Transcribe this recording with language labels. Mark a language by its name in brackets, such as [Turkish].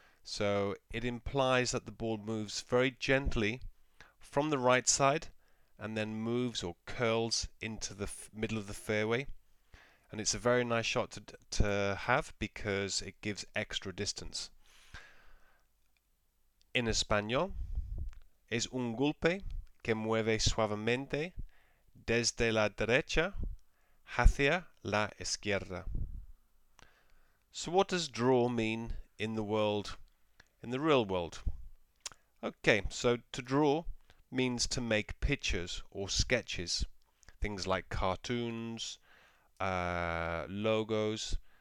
[English] So it implies that the ball moves very gently from the right side and then moves or curls into the middle of the fairway. And it's a very nice shot to have because it gives extra distance. In Espanol, [Spanish] es un golpe que mueve suavemente desde la derecha hacia la izquierda. [English] So what does draw mean in the world, in the real world? Okay, so to draw means to make pictures or sketches, things like cartoons, logos.